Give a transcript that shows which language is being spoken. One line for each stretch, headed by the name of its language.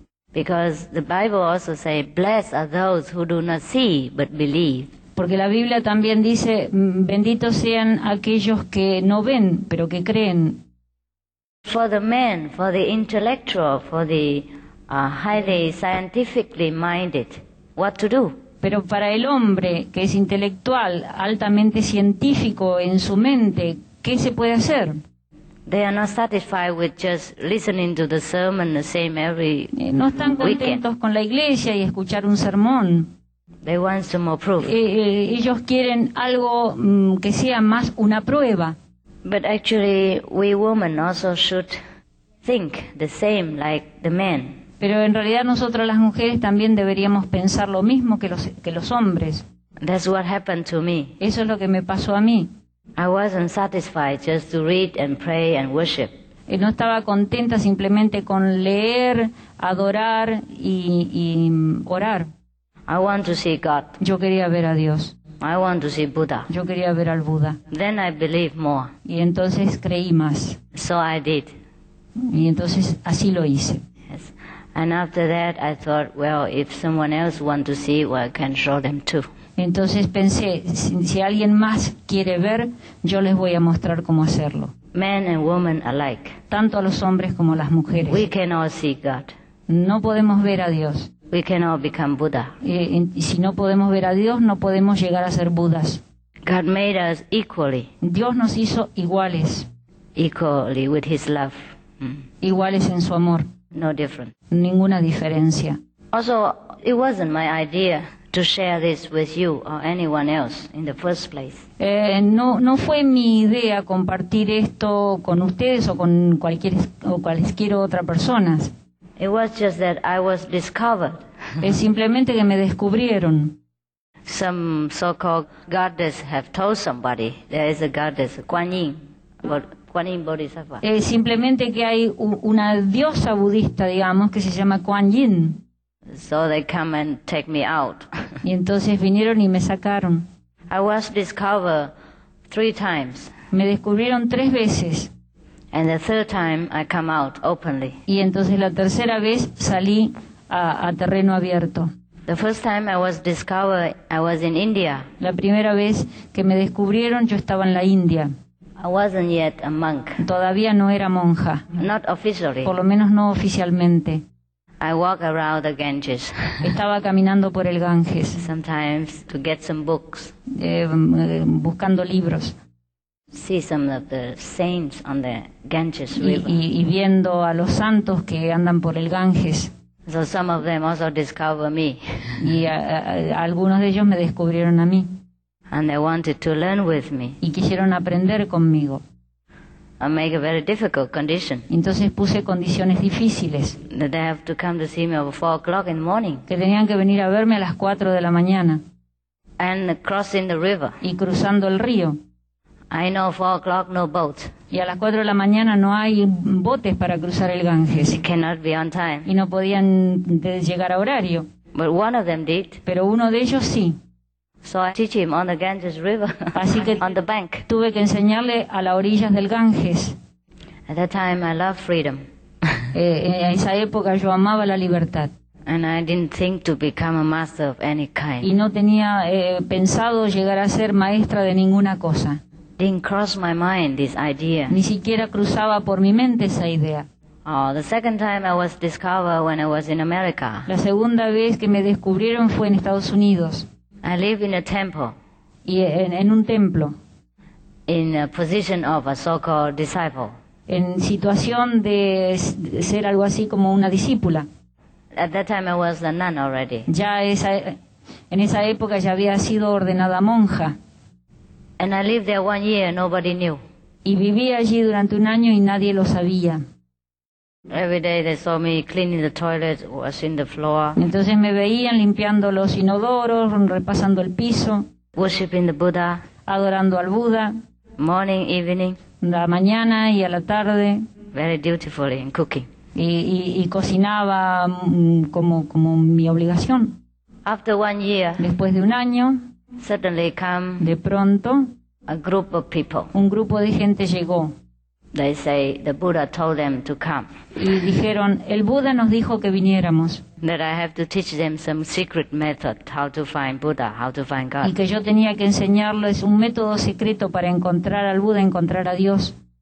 English: Because the Bible also say, "Blessed are those who do not see but believe."
Spanish: Porque la Biblia también dice, benditos sean aquellos que no ven, pero que creen.
English: For the man, for the intellectual, for the highly scientifically minded, what to do?
Spanish: Pero para el hombre que es intelectual, altamente científico en su mente, ¿qué se puede hacer?
English: They are not satisfied with just listening to the sermon the same every weekend.
Spanish: No están contentos con la iglesia y escuchar un sermón.
English: They want some more proof.
Spanish: Ellos quieren algo que sea más una prueba.
English: But actually, we women also should think the same like the men.
Spanish: Pero en realidad nosotras las mujeres también deberíamos pensar lo mismo que los hombres.
English: That's what happened to me.
Spanish: Eso es lo que me pasó a mí.
English: I wasn't satisfied just to read and pray and worship.
Spanish: Y no estaba contenta simplemente con leer, adorar y orar.
English: I want to see God.
Spanish: Yo quería ver a Dios.
English: I want to see Buddha.
Spanish: Yo quería ver al Buda.
English: Then I believe more.
Spanish: Y entonces creí más.
English: So I did.
Spanish: Y entonces así lo hice.
English: Yes. And after that I thought, well, if someone else wants to see, well, I can show them too.
Spanish: Entonces pensé, si alguien más quiere ver, yo les voy a mostrar cómo hacerlo.
English: Men and women alike.
Spanish: Tanto a los hombres como a las mujeres.
English: We can all see God.
Spanish: No podemos ver a Dios.
English: We can all become Buddha.
Spanish: Y si no podemos ver a Dios, no podemos llegar a ser Budas.
English: God made us equally.
Spanish: Dios nos hizo iguales.
English: Equally with his love.
Spanish: Iguales en su amor.
English: No different.
Spanish: Ninguna diferencia.
English: Also, it wasn't my idea to share this with you or anyone else in the first place.
Spanish: No fue mi idea compartir esto con ustedes o con cualquiera otra persona.
English: It was just that I was discovered.
Spanish: Es simplemente que me descubrieron.
English: Some so-called goddess have told somebody there is a goddess, Kuan Yin, but Kuan Yin Bodhisattva.
Spanish: Simplemente que hay una diosa budista, digamos, que se llama Kuan Yin.
English: So they come and take me out.
Spanish: Y entonces vinieron y me sacaron.
English: I was discovered 3 times.
Spanish: Me descubrieron 3 veces.
English: And the third time I come out openly.
Spanish: Y entonces la tercera vez salí a terreno abierto.
English: The first time I was discovered, I was in India.
Spanish: La primera vez que me descubrieron, yo estaba en la India.
English: I wasn't yet a monk.
Spanish: Todavía no era monja.
English: Not officially.
Spanish: Por lo menos no oficialmente.
English: I walk around the Ganges.
Spanish: Estaba caminando por el Ganges.
English: Sometimes to get some books.
Spanish: Buscando libros.
English: See some of the saints on the Ganges River.
Spanish: Y viendo a los santos que andan por el Ganges.
English: So some of them also discover me.
Spanish: Algunos de ellos me descubrieron a mí.
English: And they wanted to learn with me.
Spanish: Y quisieron aprender conmigo.
English: I make a very difficult condition.
Spanish: Entonces puse condiciones difíciles.
English: That they have to come to see me at 4 o'clock in the morning.
Spanish: Que tenían que venir a verme a las 4 de la mañana.
English: And crossing the river.
Spanish: Y cruzando el río.
English: I know 4 o'clock no boat.
Spanish: Y a las 4 de la mañana no hay botes para cruzar el Ganges.
English: They cannot be on time.
Spanish: Y no podían llegar a horario.
English: But one of them did.
Spanish: Pero uno de ellos sí.
English: So I teach him on the Ganges River,
Spanish: así que
English: on the bank.
Spanish: Tuve que enseñarle a las orillas del Ganges.
English: At that time I loved freedom.
Spanish: En esa época yo amaba la libertad.
English: And I didn't think to become a master of any kind.
Spanish: Y no tenía pensado llegar a ser maestra de ninguna cosa.
English: Didn't cross my mind this idea.
Spanish: Ni siquiera cruzaba por mi mente esa idea.
English: Oh, the second time I was discovered when I was in America.
Spanish: La segunda vez que me descubrieron fue en Estados Unidos.
English: I live in a temple.
Spanish: Y en un templo.
English: In a position of a so-called disciple.
Spanish: En situación de ser algo así como una discípula.
English: At that time I was a nun already.
Spanish: Ya en esa época ya había sido ordenada monja.
English: And I lived there 1 year, nobody knew.
Spanish: Y viví allí durante un año y nadie lo sabía.
English: Every day they saw me cleaning the toilet, washing the floor.
Spanish: Entonces me veían limpiando los inodoros, repasando el piso.
English: Worshiping the Buddha.
Spanish: Adorando al Buda.
English: Morning, evening.
Spanish: La mañana y a la tarde.
English: Very dutifully in cooking.
Spanish: Y cocinaba como mi obligación.
English: After 1 year.
Spanish: Después de un año.
English: Suddenly come.
Spanish: De pronto.
English: A group of people.
Spanish: Un grupo de gente llegó.
English: They say the Buddha told them to come.
Spanish: Y dijeron, el Buda nos dijo que viniéramos.
English: That I have to teach them some secret method how to find Buddha, how to find God.
Spanish: Y que yo tenía que enseñarles un método secreto para encontrar al Buda, encontrar a Dios.